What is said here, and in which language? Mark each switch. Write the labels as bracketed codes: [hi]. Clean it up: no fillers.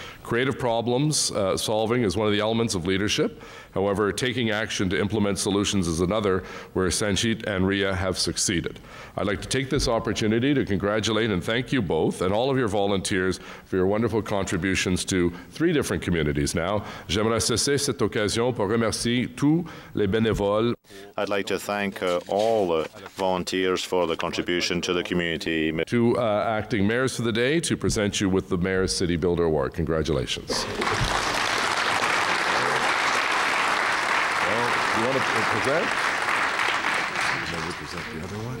[en] Creative problems solving is one of the elements of leadership. However, taking action to implement solutions is another, where Sanjeet and Raya have succeeded. I'd like to take this opportunity to congratulate and thank you both and all of your volunteers for your wonderful contributions to three different communities now. [fr] J'aimerais saisir cette occasion pour remercier tous les bénévoles. [en] I'd like to thank all volunteers for the contribution to the community. To acting mayors for the day, to present you with the Mayor's City Builder Award. Congratulations. Present the other one.